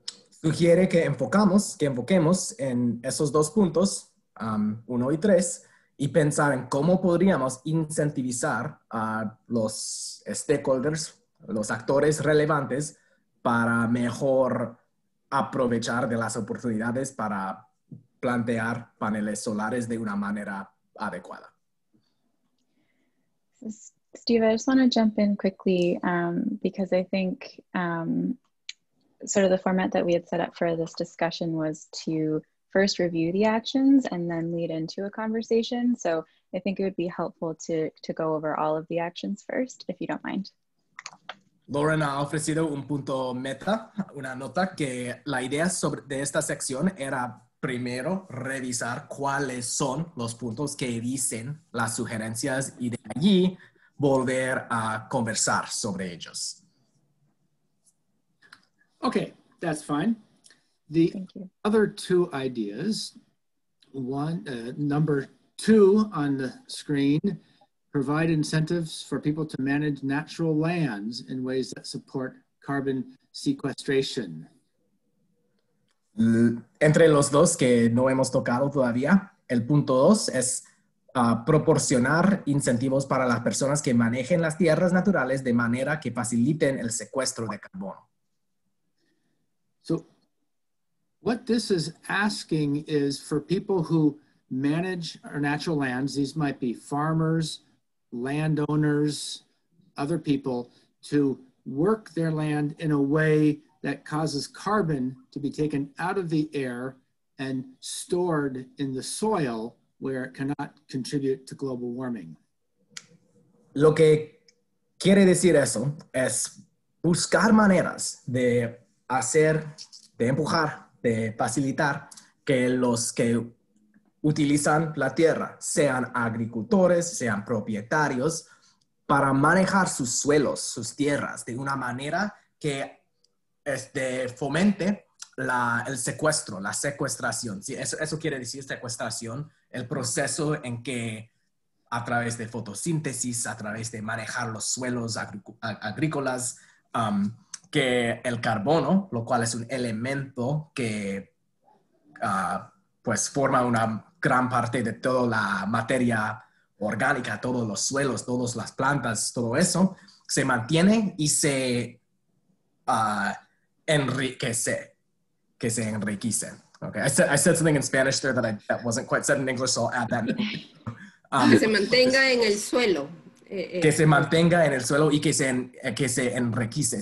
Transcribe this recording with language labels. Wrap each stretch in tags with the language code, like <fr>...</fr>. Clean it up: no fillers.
<es>Sugiere que enfoquemos en esos dos puntos, uno y tres, y pensar en cómo podríamos incentivizar a los stakeholders, los actores relevantes, para mejor aprovechar de las oportunidades para plantear paneles solares de una manera adecuada.</es> <en>Steve, I just want to jump in quickly because I think sort of the format that we had set up for this discussion was to first review the actions and then lead into a conversation. So I think it would be helpful to go over all of the actions first, if you don't mind.</en> <es>Lauren ha ofrecido un punto meta, una nota que la idea sobre de esta sección era primero revisar cuáles son los puntos que dicen las sugerencias y de allí volver a conversar sobre ellos.</es> <en>Okay, that's fine. The other two ideas, number two on the screen, provide incentives for people to manage natural lands in ways that support carbon sequestration.</en> <es>Entre los dos que no hemos tocado todavía, el punto dos es proporcionar incentivos para las personas que manejen las tierras naturales de manera que faciliten el secuestro de carbono.</es> <en>So, what this is asking is for people who manage our natural lands, these might be farmers, landowners, other people, to work their land in a way that causes carbon to be taken out of the air and stored in the soil where it cannot contribute to global warming.</en> <es>Lo que quiere decir eso es buscar maneras de hacer, de empujar, de facilitar que los que utilizan la tierra, sean agricultores, sean propietarios, para manejar sus suelos, sus tierras, de una manera que fomente el secuestro, la secuestración. Sí, eso quiere decir secuestración, el proceso en que a través de fotosíntesis, a través de manejar los suelos agrícolas, que el carbono, lo cual es un elemento que pues forma una gran parte de toda la materia orgánica, todos los suelos, todas las plantas, todo eso, se mantiene y se enriquece, que se enriquece.</es> <en>Okay, I said something in Spanish there that wasn't quite said in English, so I'll add that.</en> <es>Que se mantenga en el suelo. Que se mantenga en el suelo y que se enriquece.</es>